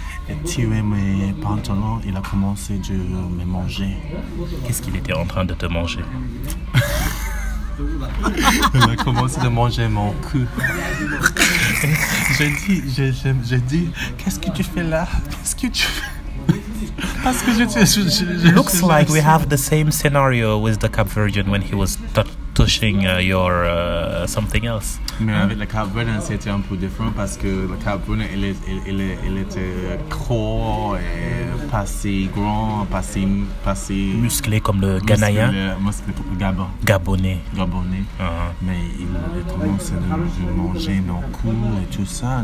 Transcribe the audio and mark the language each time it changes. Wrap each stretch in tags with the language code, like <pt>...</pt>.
<fr>Il a tiré mes pantalons, il a commencé de me manger. Qu'est-ce qu'il était en train de te manger? Il a commencé à manger mon cou. J'ai dit, qu'est-ce que tu fais là? Qu'est-ce que tu fais? Parce que je</fr> <en>Looks je like we have the same scenario with the Cap Verdean when he was touching your something else.</en> <fr>Mais avec le Cap Verdean, c'était un peu différent parce que le Cap Verdean, il était gros et pas si grand, pas si musclé comme le Ghanaïen. Musclé pour le Gabon. Gabonais. Uh-huh. Mais il commençait à manger nos coups et tout ça.</fr>